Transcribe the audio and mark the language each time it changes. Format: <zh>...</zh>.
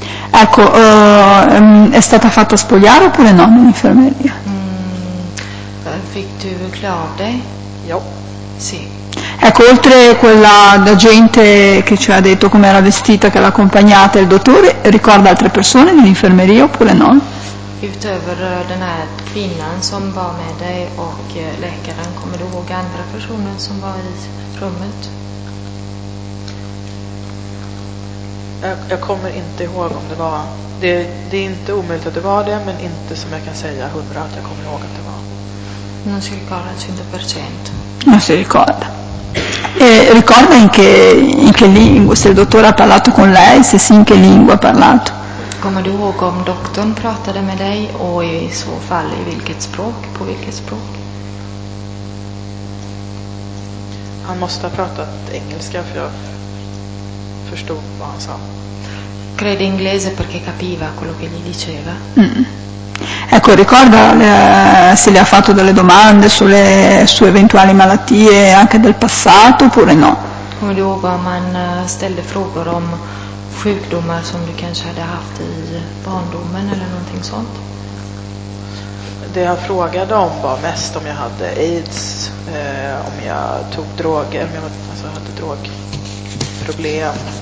<it>Ecco, è stata fatta spogliare oppure no, l'infermeria?</it> <sv>Fick du klä av dig? Jo.</sv> <it>Sì. Ecco, oltre quella da gente che ci ha detto come era vestita, che l'ha accompagnata il dottore, ricorda altre persone dell'infermeria oppure no?</it> <sv>Utöver den här kvinnan som var med dig och läkaren, kommer du ihåg andra personer som var i rummet? Jag kommer inte ihåg om det var. Det är inte omöjligt att det var det, men inte som jag kan säga 100 att jag kommer ihåg att det var.</sv> <it>Non si ricorda al 100%. Non si ricorda. Ricorda in che lingua, se il dottore ha parlato con lei, se sì, in che lingua ha parlato?</it> <sv>Come du ihåg om doktorn pratade med dig och i så fall i vilket språk, på vilket språk? Han måste ha pratat engelska för jag förstod vad han sa.</sv> <it>Crede inglese perché capiva quello che gli diceva. Ecco, ricorda se le ha fatto delle domande sulle sue eventuali malattie anche del passato oppure no?</it> <sv>Och då var man ställde frågor om sjukdomar som du kanske hade haft i barndomen eller någonting sånt. Det jag frågade om var mest om jag hade AIDS, om jag tog droger, om jag alltså hade drogproblem.</sv>